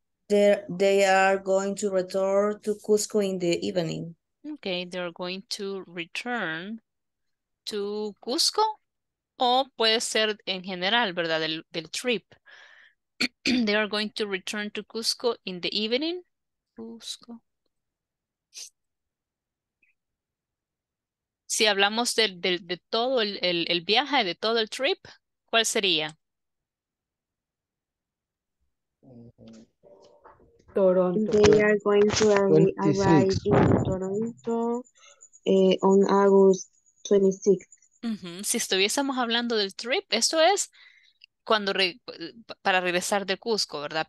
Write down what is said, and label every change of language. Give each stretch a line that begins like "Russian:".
English: They are going to return to Cusco in the evening. Okay, they're going to return to Cusco?
Spanish: O puede ser en general, ¿verdad? Del trip.
English: They are going to return to Cusco in the evening. Cusco.
Spanish: Si hablamos de todo el viaje, de todo el trip, ¿cuál sería? Toronto.
English: They are going to arrive in Toronto on August 26th. Uh-huh.
Spanish: Si estuviésemos hablando del trip, eso es cuando para regresar de Cusco, ¿verdad?